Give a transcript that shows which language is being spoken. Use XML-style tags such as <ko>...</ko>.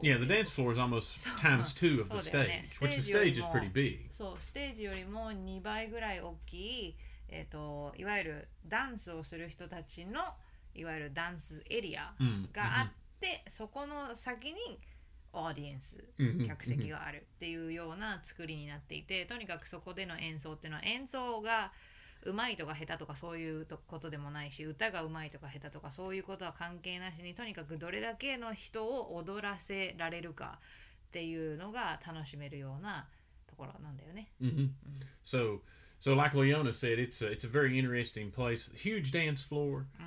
<en>Yeah, the dance floor is almost times two of the stage、ね、which the stage is pretty big。</en> <ja>そう、ステージよりも2倍ぐらい大きい、いわゆるダンスをする人たちのいわゆるダンスエリアがあって、うん、そこの先にオーディエンス、客席があるっていうような作りになっていて、とにかくそこでの演奏っていうのは演奏が上手いとか下手とかそういうことでもないし、歌が上手いとか下手とかそういうことは関係なしに、とにかくどれだけの人を踊らせられるかっていうのが楽しめるようなところなんだよね。</ja> <en>So, so like Leona said, it's a very interesting place. Huge dance floor.</en>